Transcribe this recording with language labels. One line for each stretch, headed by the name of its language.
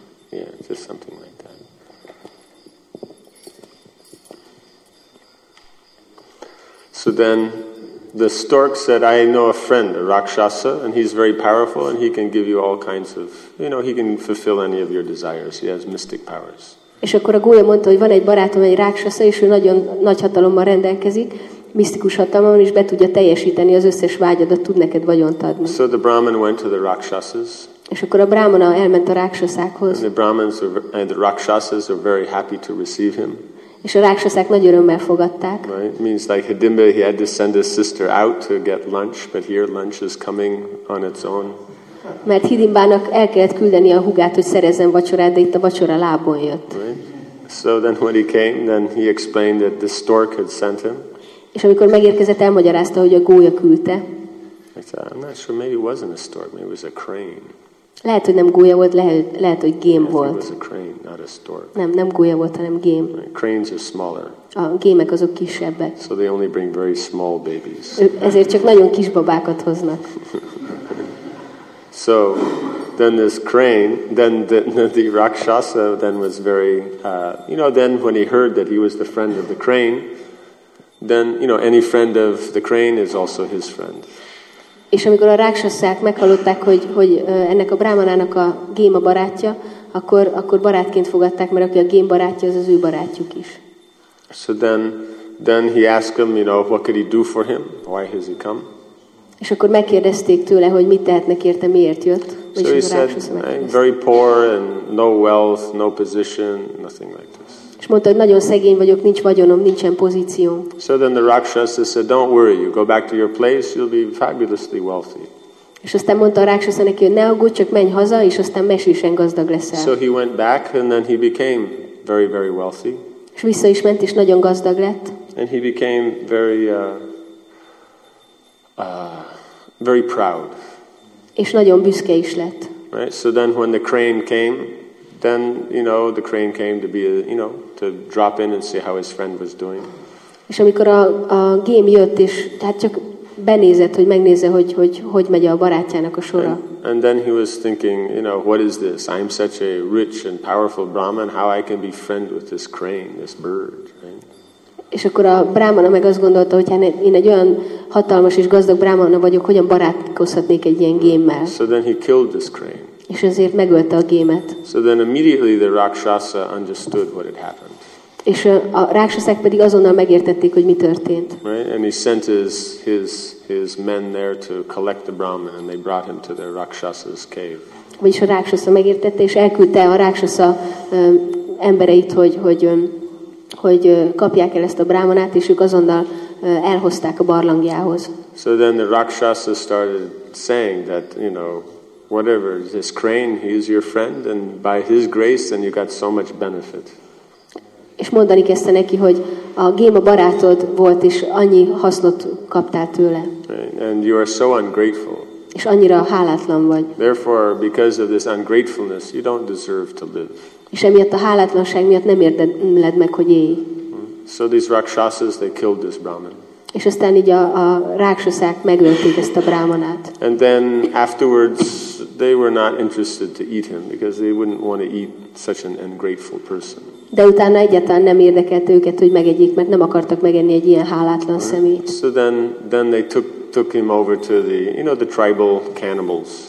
English: Yeah, just something like that. So then The stork said, I know a friend, a rakshasa, and he's very powerful, and he can give you all kinds of, you know, he can fulfill any of your desires. He has mystic powers.
Hungarian: És akkor a gólya mondta, hogy van egy barátom, egy rákssasza, és ő nagyon nagy hatalommal rendelkezik, misztikus hatalommal, és be tudja teljesíteni az összes vágyadat, tud neked vagyont adni.
English: So the Brahman went to the rakshasas.
Hungarian: És akkor a brahmana elment a rákssaszákhoz.
English: And the Brahmans were, and the rakshasas are very happy to receive him.
Hungarian: És a rákssaszák nagy örömmel fogadták.
English: Right? Means like Hidimba, he had to send his sister out to get lunch, but here lunch is coming on its own.
Hungarian: Mert Hidimbának el kellett küldeni a húgát, hogy szerezzen vacsorát, de itt a vacsora lábon jött.
English: So then when he came, then he explained that the stork had sent him.
Hungarian: És amikor megérkezett, elmagyarázta, hogy a gólya küldte.
English: I thought, I'm not sure, maybe it wasn't a stork, maybe it was a crane.
Hungarian: Lehet, hogy nem gólya volt, lehet, hogy gém volt.
English: It was a crane, not a stork.
Hungarian: Nem gólya volt, hanem gém.
English: Cranes are smaller.
Hungarian: A gémek azok kisebbek.
English: So they only bring very small babies.
Hungarian: Ezért csak nagyon kis babákat hoznak.
English: So then this crane, then the rakshasa then was very, you know, then when he heard that he was the friend of the crane, then, you know, any friend of the crane is also his friend.
Hungarian: És amikor a rákssaszák meghallották, hogy ennek a brámanának a gém a barátja, akkor barátként fogadták, mert aki a gém barátja, az ő barátjuk is.
English: So then he asked him, you know, what could he do for him? Why has he come?
Hungarian: És akkor megkérdezték tőle, hogy mit tehetnek érte, miért jött.
English: So he said, very poor and no wealth, no position, nothing like this.
Hungarian: És mondta, hogy nagyon szegény vagyok, nincs vagyonom, nincsen pozícióm.
English: So then the rakshasa said, don't worry, you go back to your place, you'll be fabulously wealthy.
Hungarian: És aztán mondta a rakshasa neki, hogy ne aggódj, csak menj haza, és aztán mesésen gazdag leszel.
English: So he went back and then he became very, very wealthy.
Hungarian: És vissza is ment, és nagyon gazdag lett.
English: And he became very very proud.
Hungarian: És nagyon büszke is lett.
English: Right. So then, when the crane came, then you know the crane came to be, a, you know, to drop in and see how his friend was doing.
Hungarian: És amikor a gém jött, és hát csak benézett, hogy megnézze, hogy megy a barátjának a sora.
English: And then he was thinking, you know, what is this? I'm such a rich and powerful Brahman. How I can be friend with this crane, this bird? Right?
Hungarian: És akkor a brámana meg azt gondolta, hogy hát én egy olyan hatalmas és gazdag brámana vagyok, hogyan barátkozhatnék egy ilyen gémmel.
English: So then he killed this crane.
Hungarian: És ezért megölte a gémet.
English: So then immediately the rakshasa understood what had happened.
Hungarian: És a rakshasák pedig azonnal megértették, hogy mi történt.
English: Right? And he sent his men there to collect the brahman, and they brought him to their rakshasa's cave.
Hungarian: Vagyis a rakshasa megértette, és elküldte a rakshasa embereit, hogy kapják el ezt a brámanát, és ők azonnal elhozták a barlangjához.
English: So then the rakshasa started saying that, you know, whatever, this crane, he is your friend, and by his grace, then you got so much benefit.
Hungarian: És mondani kezdte neki, hogy a géma barátod volt, és annyi hasznot kaptál tőle.
English: Right. And you are so ungrateful.
Hungarian: És annyira hálátlan vagy.
English: Therefore, because of this ungratefulness, you don't deserve to live.
Hungarian: És emiatt a hálátlanság miatt nem érdemled meg, hogy élj.
English: So these rakshasas, they killed this brahman.
Hungarian: És aztán így a rakshasák megölték ezt a brahmanát.
English: And then afterwards they were not interested to eat him because they wouldn't want to eat such an ungrateful person.
Hungarian: De utána egyáltalán nem érdekelt őket, hogy megegyék, mert nem akartak megenni egy ilyen hálátlan szemét.
English: So then they took him over to the, you know, the tribal cannibals.